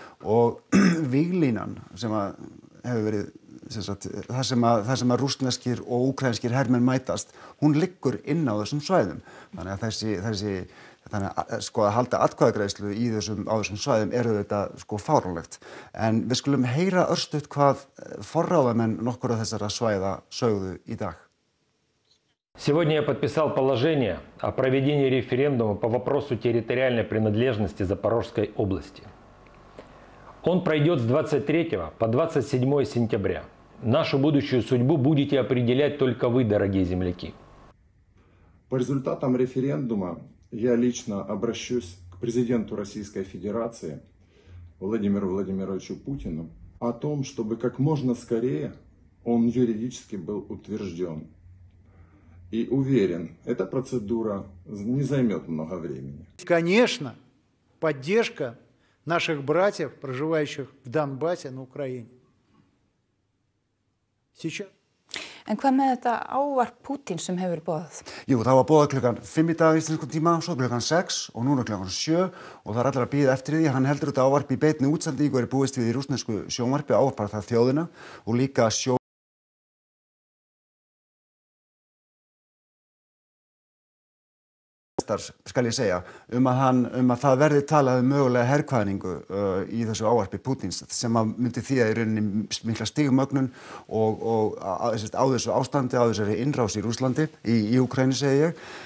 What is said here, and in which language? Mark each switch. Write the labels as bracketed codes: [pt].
[is] Og víglínan sem að hefur verið þar sem að rússneskir og úkraínskir hermenn mætast, hún liggur inn á þessum svæðum. Þannig að þessi að halda atkvæðagreiðslu á þessum svæðum eru þetta fáránlegt. En við skulum heyra örstutt hvað forráðamenn nokkur af þessara svæða sögðu í dag. [ru] Сегодня я подписал положение о проведении референдума по вопросу территориальной принадлежности Запорожской области. Он пройдет с 23 по 27 сентября. Нашу будущую судьбу будете определять только вы, дорогие земляки. По результатам референдума я лично обращусь к президенту Российской Федерации Владимиру Владимировичу Путину о том, чтобы как можно скорее он юридически был утвержден. И уверен, эта процедура не займет много времени. Конечно, поддержка наших братьев, проживающих в Донбассе, на Украине. Сейчас. [is] En hvað með þetta ávarp Pútín sem hefur boðað? Jú, það var boðað klukkan 5 í dag í íslenskum tíma, svo klukkan 6 og núna klukkan 7 og það er allir að bíða eftir því. Hann heldur þetta ávarp í beinni útsendingu og er búist við í rússnesku sjónvarpi, ávarpar það þjóðina og líka skal ég segja, að það verði talað mögulega herkvæðningu í þessu ávarpi Pútins sem að myndi því að í rauninni mikla stigmögnun og á þessu ástandi, á þessari innrás í Rússlandi, í Úkraínu segi ég.